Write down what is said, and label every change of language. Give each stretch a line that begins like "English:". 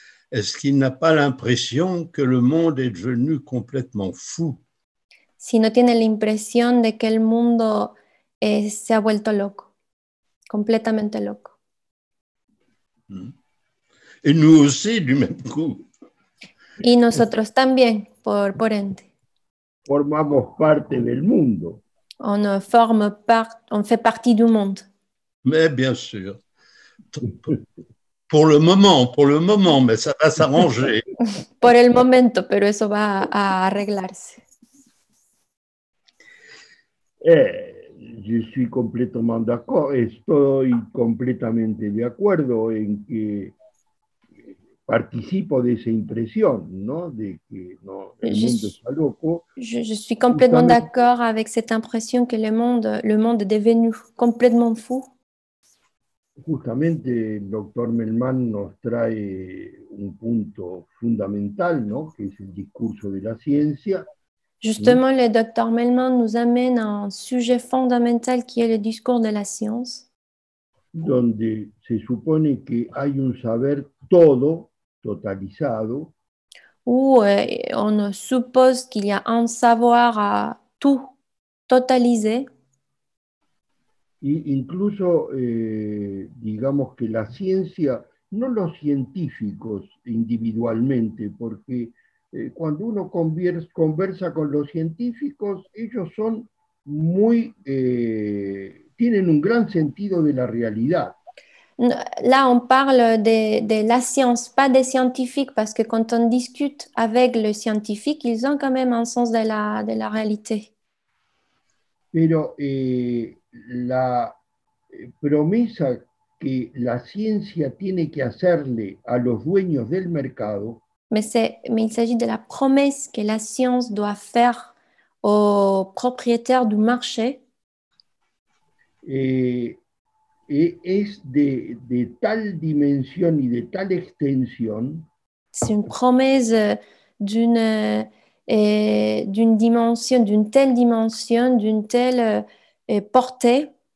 French: Est-ce qu'il n'a pas l'impression que le monde est devenu complètement fou?
Spanish: Si no tiene la impresión de que el mundo se ha vuelto loco, completamente loco.
French: Et nous aussi du même coup.
Spanish: Y nosotros también, por ende. Formamos parte del mundo.
French: On fait partie du monde. Mais bien sûr. Pour le moment, mais ça va s'arranger.
Spanish: Por el momento, pero eso va a arreglarse.
French: Je suis complètement d'accord,
Spanish: estoy completamente de acuerdo en que participo de esa impresión, ¿no? De que no, el mundo está loco.
French: Je suis complètement d'accord avec cette impression que le monde est devenu complètement fou.
Spanish: Justamente el doctor Melman nos trae un punto fundamental, ¿no? Que es el discurso de la ciencia.
French: Justement, le docteur Melman nous amène à un sujet fondamental qui est le discours de la science.
Spanish: Donde se supone que hay un saber todo totalizado.
French: Où on suppose qu'il y a un savoir à tout totalisé.
Spanish: Y incluso digamos que la ciencia, no los científicos individualmente, porque cuando uno conversa con los científicos, ellos son muy, tienen un gran sentido de la realidad.
French: Là, on parle de la science, pas des scientifiques, parce que quand on discute avec les scientifiques, ils ont quand même un sens de la réalité.
Spanish: Pero la promesa que la ciencia tiene que hacerle a los dueños del mercado.
French: Mais il s'agit de la promesse que la science doit faire aux propriétaires du marché. Et est de telle dimension et de telle extension. C'est une promesse d'une dimension, d'une telle dimension, d'une telle portée.